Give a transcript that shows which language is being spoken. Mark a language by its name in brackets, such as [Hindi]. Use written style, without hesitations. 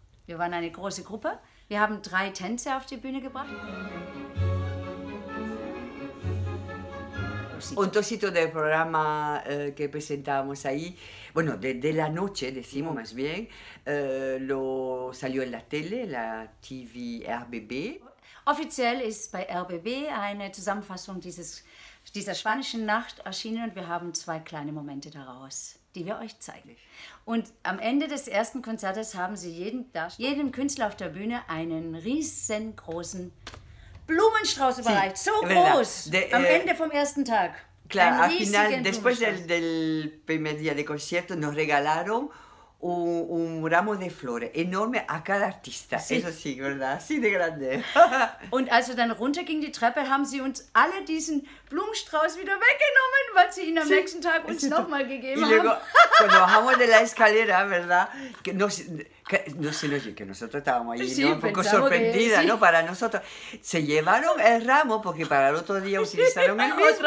[German] Wir waren eine große Gruppe. Wir haben 3 Tänze auf die Bühne gebracht. [Spanish] Un trocito del programa que presentábamos ahí, bueno, de la noche, decimos más bien, lo salió en la tele, la TV RBB. [German] Offiziell ist bei RBB eine Zusammenfassung dieser spanischen Nacht erschienen und wir haben 2 kleine Momente daraus, die wir euch zeigen. Und am Ende des ersten Konzertes haben sie jedem Künstler auf der Bühne einen riesengroßen Blumenstrauß überreicht. Sí, so groß! Am Ende vom ersten Tag. [Spanish] Claro, al final, después del primer día de concierto, nos regalaron un ramo de flores enorme a cada artista. Sí. Eso sí, ¿verdad? Sí, de grande. [German] Und als wir dann runterging die Treppe, haben sie uns alle diesen Blumenstrauß wieder weggenommen, weil sie ihn am nächsten Tag uns nochmal gegeben haben. [Spanish] Y luego, cuando bajamos de la escalera, ¿verdad? Que nosotros estábamos ahí, sí, ¿no? Un poco sorprendida, que, sí. ¿No? Para nosotros. Se llevaron el ramo porque para el otro día utilizaron el mismo.